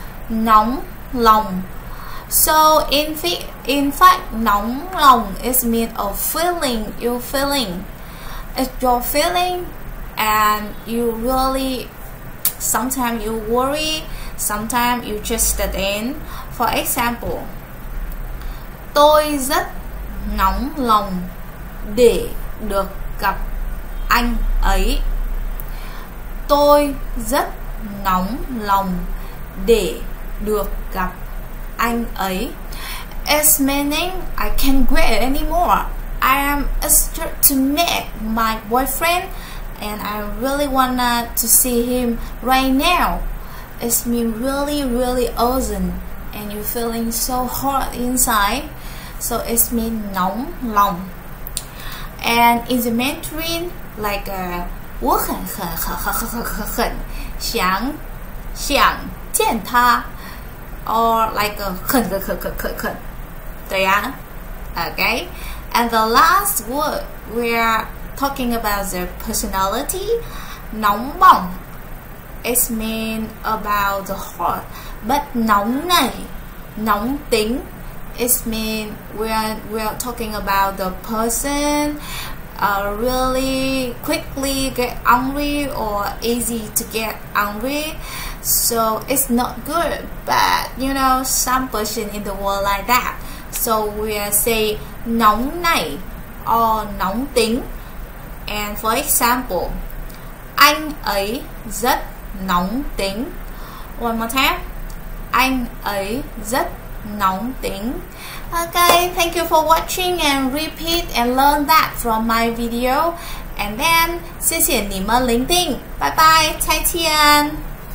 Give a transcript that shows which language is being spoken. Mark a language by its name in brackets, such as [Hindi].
[English] Nóng lòng. So in fact nóng lòng is mean of feeling, your feeling. It's your feeling, and you really sometimes you worry, sometimes you just stay in. For example, [Vietnamese] tôi rất nóng lòng để được gặp anh ấy. Tôi rất nóng lòng để được gặp anh ấy. [English] It's meaning I can't wait anymore. I am eager to meet my boyfriend, and I really wanna to see him right now. It's mean really really urgent, and you're feeling so hot inside. So it's mean nóng lòng. And in the Mandarin, like [Chinese] 我很很很很很很很想想见他 [English] or like [Chinese] 很很很很很，对呀。 [English] Okay, and the last word we're talking about the personality, 浓 bỏng. It's mean about the heart, but 浓 này, 浓 tính. It's mean we're talking about the person, really quickly get angry or easy to get angry. So it's not good, but you know some person in the world like that. So we are say nóng này or nóng tính. And for example, [Vietnamese] anh ấy rất nóng tính. [English] One more time. [Vietnamese] Anh ấy rất nóng tính. [English] Okay, thank you for watching and repeat and learn that from my video. And then, [Chinese] 谢谢你们聆听. [English] Bye bye, [Chinese] 再见.